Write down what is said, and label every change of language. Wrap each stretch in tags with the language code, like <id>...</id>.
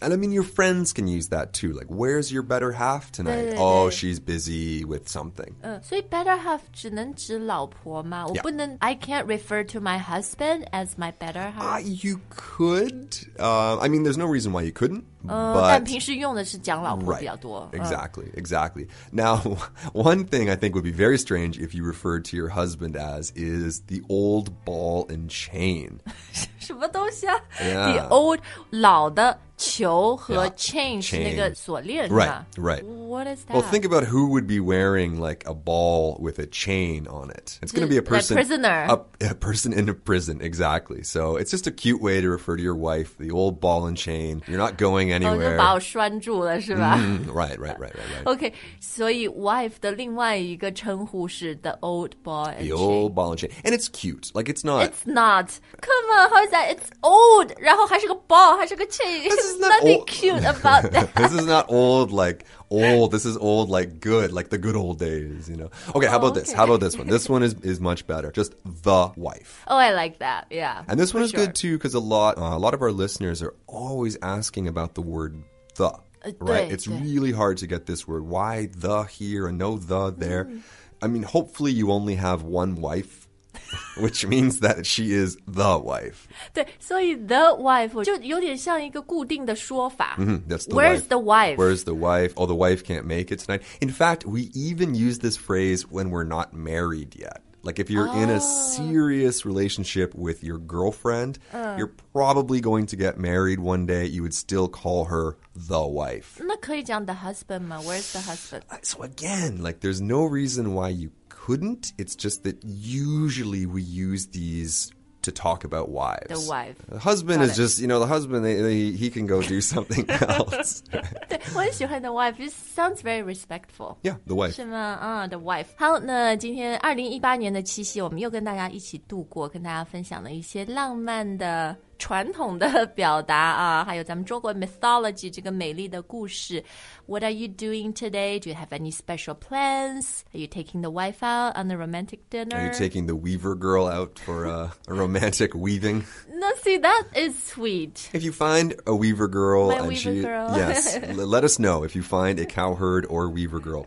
<en>And I mean, your friends can use that too. Like, where's your better half tonight? Oh, she's busy with something. So better half</en> <zh>只能指老婆吗?</zh> <en>Yeah.</en> <zh>我不能,</zh> <en>I can't refer to my husband as my better half. You could. I mean, there's no reason why you couldn't.</en> <zh>But 平时用的是讲老婆比较多。</zh> <en>Exactly, exactly. Now, one thing I think would be very strange if you referred to your husband as is the old ball and chain.</en> <zh>什么东西啊?</zh> <en>Yeah. The old,</en> <zh>老的球和 chain 是那个锁链是吧?</zh> <en>Right, right. What is that? Well, think about who would be wearing like a ball with a chain on it. It's going to be a person. A prisoner. A person in a prison, exactly. So it's just a cute way to refer to your wife, the old ball and chain. You're not going anywhere.</en> <zh>就把我拴住了是吧?</zh> <en>Right, right, right, right, right. Okay,</en> <zh>所以 wife 的另外一个称呼是</zh> <en>the old ball and chain. The old ball and chain. And it's cute. Like it's not. It's not. Come on, how is that? It's old. 然后还是个 ball, 还是个 chain. This is not old, like old. This is old, like good, like the good old days, you know. Okay, how about this? How about this one? This one is much better. Just the wife. Oh, I like that. Yeah. And this one is good, too, because a lot of our listeners are always asking about the word the, right? It's really hard to get this word. Why the here and no the there? Mm. I mean, hopefully you only have one wife. Which means that she is the wife.</en> <zh>对，所以 the wife 就有点像一个固定的说法。</zh> <en>Mm-hmm, that's the Where's wife. The wife? Where's the wife? Oh, the wife can't make it tonight. In fact, we even use this phrase when we're not married yet. Like if you're in a serious relationship with your girlfriend, you're probably going to get married one day. You would still call her the wife.</en> <zh>那可以讲 the husband 吗?</zh> <en>Where's the husband? So again, like there's no reason why you couldn't. It's just that usually we use these to talk about wives. The wife. The husband is just, you know, the husband, he can go do something else.</en> <zh>对，我很喜欢 the wife.</zh> <en>It sounds very respectful. Yeah, the wife.</en> <zh>是吗？The wife. 好，那今天2018年的七夕，我们又跟大家一起度过，跟大家分享了一些浪漫的传统的表达啊，还有咱们中国 mythology 这个美丽的故事。</zh> <en>What are you doing today? Do you have any special plans? Are you taking the wife out on a romantic dinner? Are you taking the weaver girl out for a romantic weaving? No, see, that is sweet. If you find a weaver girl, yes, let us know if you find a cowherd or weaver girl.</en>